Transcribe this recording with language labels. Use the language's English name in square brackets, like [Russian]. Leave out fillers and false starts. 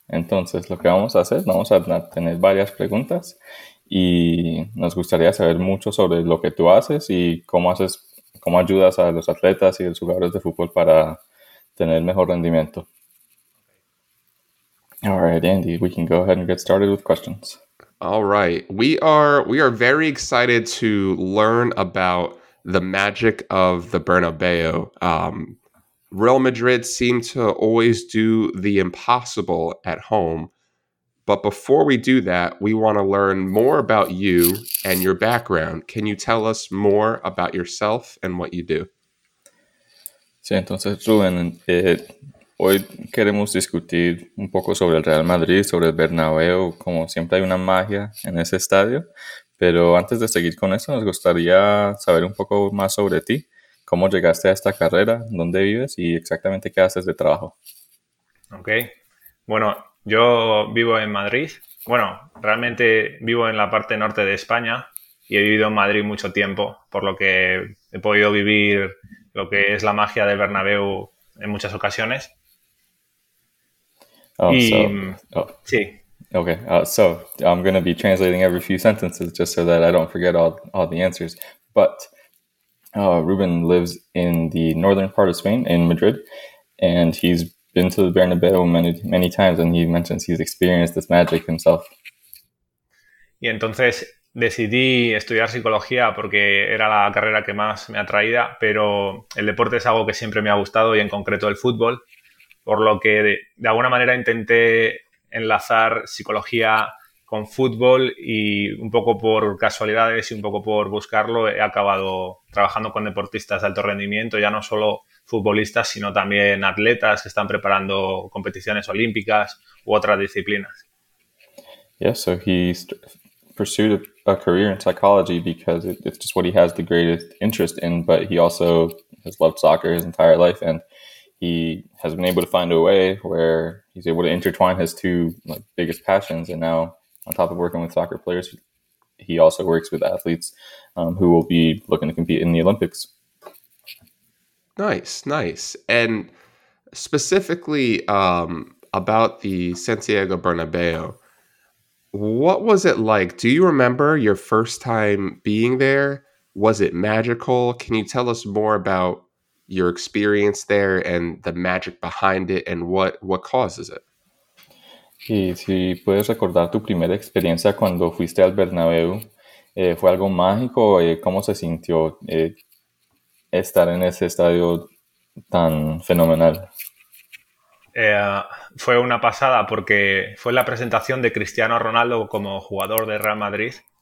[Spanish] Entonces, lo que vamos a hacer, vamos a tener varias preguntas y nos gustaría saber mucho sobre lo que tú haces y cómo ayudas a los atletas y los jugadores de fútbol para tener mejor rendimiento. [English] All right, Andy, we can go ahead and get started with questions. All right. We are very excited to learn about the magic of the Bernabeu. Real Madrid seem to always do the impossible at home. But before we do that, we want to learn more about you and your background. Can you tell us more about yourself and what you do? [Spanish] Sí, entonces, Rubén, hoy queremos discutir un poco sobre el Real Madrid, sobre el Bernabéu, como siempre hay una magia en ese estadio. Pero antes de seguir con eso, nos gustaría saber un poco más sobre ti, cómo llegaste a esta carrera, dónde vives y exactamente qué haces de trabajo. Ok, bueno, yo vivo en Madrid. Bueno, realmente vivo en la parte norte de España y he vivido en Madrid mucho tiempo, por lo que he podido vivir lo que es la magia del Bernabéu en muchas ocasiones. [English] I'm going to be translating every few sentences just so that I don't forget all the answers. But Ruben lives in the northern part of Spain, in Madrid, and he's been to the Bernabeu many, many times, and he mentions he's experienced this magic himself. [Spanish] Y entonces decidí estudiar psicología porque era la carrera que más me atraía, pero el deporte es algo que siempre me ha gustado y en concreto el fútbol. Por lo que de alguna manera intenté enlazar psicología con fútbol y un poco por casualidades y un poco por buscarlo he acabado trabajando con deportistas de alto rendimiento, ya no solo futbolistas, sino también atletas que están preparando competiciones olímpicas u otras disciplinas. [English] Yeah, so he pursued a career in psychology because it's just what he has the greatest interest in, but he also has loved soccer his entire life and he has been able to find a way where he's able to intertwine his two biggest passions. And now, on top of working with soccer players, he also works with athletes who will be looking to compete in the Olympics. Nice, nice. And specifically about the Santiago Bernabeu, what was it like? Do you remember your first time being there? Was it magical? Can you tell us more about your experience there and the magic behind it and what causes it? [Spanish] Y si puedes recordar tu primera experiencia cuando fuiste al Bernabéu, ¿fue algo mágico? ¿Cómo se sintió estar en ese estadio tan fenomenal? Fue una pasada porque fue la presentación de Cristiano Ronaldo como jugador de Real Madrid.